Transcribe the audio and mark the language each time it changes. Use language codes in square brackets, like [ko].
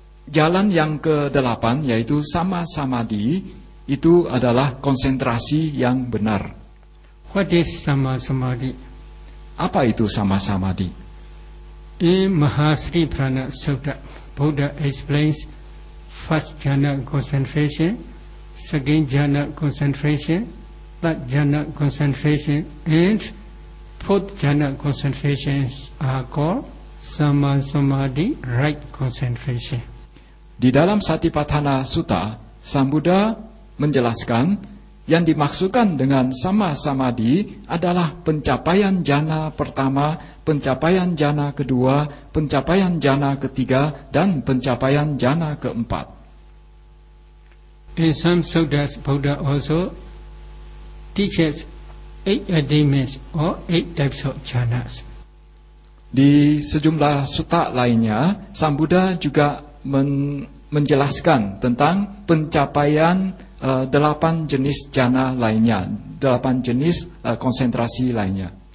[id] Jalan yang ke-8, yaitu Sama Samadhi, itu adalah konsentrasi yang benar. [en] What is Sama Samadhi? [id] Apa itu Sama Samadhi? [en] In Mahasri Prana Sutta, Buddha explains first jhana concentration, second jhana concentration, third jhana concentration, and fourth jhana concentrations are called Sama Samadhi, right concentration. [id] Di dalam Satipatthana Sutta, Sang Buddha menjelaskan yang dimaksudkan dengan Sama Samadhi adalah pencapaian jhana pertama, pencapaian jhana kedua, pencapaian jhana ketiga, dan pencapaian jhana keempat. [en] In some suttas, Buddha also teaches eight attainments or eight types of jhanas. [id] Di sejumlah sutta lainnya, Sang Buddha juga menjelaskan tentang pencapaian delapan jenis jhana lainnya, delapan jenis konsentrasi lainnya.